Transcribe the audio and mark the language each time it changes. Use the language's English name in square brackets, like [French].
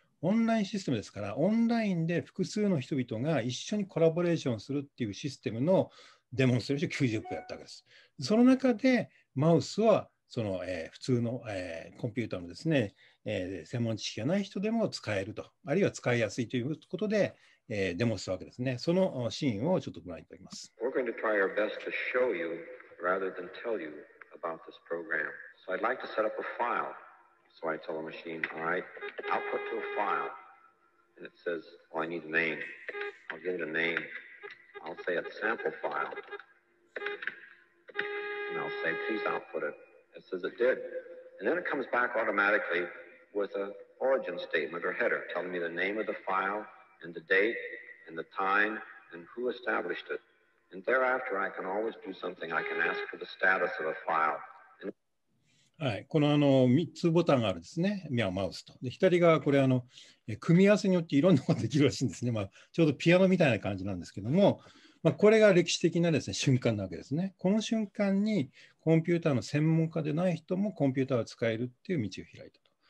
[Japanese] オンラインシステムですから、オンラインで複数の人々が一緒にコラボレーションするっていうシステムのデモンストレーション90分やったわけです。その中でマウスはその、普通の、コンピューターのですね、専門知識がない人でも使えると、あるいは使いやすいということで、デモしたわけですね。そのシーンをちょっとご覧いただきます。 [English] We're going to try our best to show you rather than tell you about this program. So I'd like to set up a file. So I tell the machine, all right, output to a file. And it says, well, I need a name. I'll give it a name. I'll say a sample file. And I'll say, please output it. It says it did. And then it comes back automatically with an origin statement or header telling me the name of the file and the date and the time and who established it. And thereafter, I can always do something. I can ask for the status of a file. [Japanese] はい、この、 3つボタンがあるですね、マウスと。で左側、これ組み合わせによっていろんなことができるらしいんですね、まあ、ちょうどピアノみたいな感じなんですけども、まあ、これが歴史的なですね、瞬間なわけですね。この瞬間にコンピューターの専門家でない人もコンピューターを使えるっていう道を開いたと。